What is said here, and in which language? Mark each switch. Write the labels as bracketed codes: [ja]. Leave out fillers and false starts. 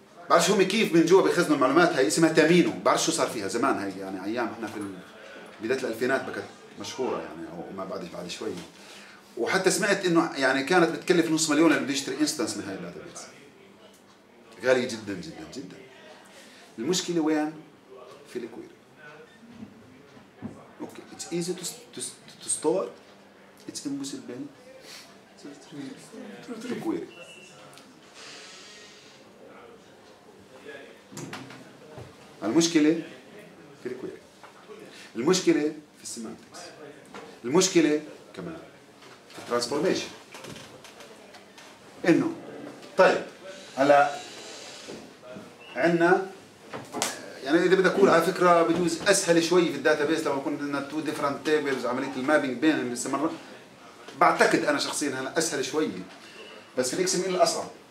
[ar] بعرفش هم كيف من جوا بيخزنوا المعلومات هاي، اسمها تامينو، بعرفش شو صار فيها زمان هاي، يعني أيام إحنا في بداية الألفينات بكت مشهورة يعني، وما بعدش بعد شوي. وحتى سمعت إنه يعني كانت بتكلف نص مليون اللي بده يشتري إنستانس من هاي الداتابيس، غالي جدا جدا جدا. المشكلة وين؟ في الكويري. [en] Okay, it's easy to store، it's impossible to query. [ar] المشكلة في الكويري، المشكلة في السيمانتكس، المشكلة كمان في الترانسفورميشن. إنه طيب هلا عنا يعني إذا بدي أقول على فكرة بجوز أسهل شوي في الداتابيس لما كنا عندنا تو ديفرنت تيبلز، عملية المابينج بين اللي استمر، بعتقد أنا شخصيا هلا أسهل شوي، بس في الإكس إم إل أصعب.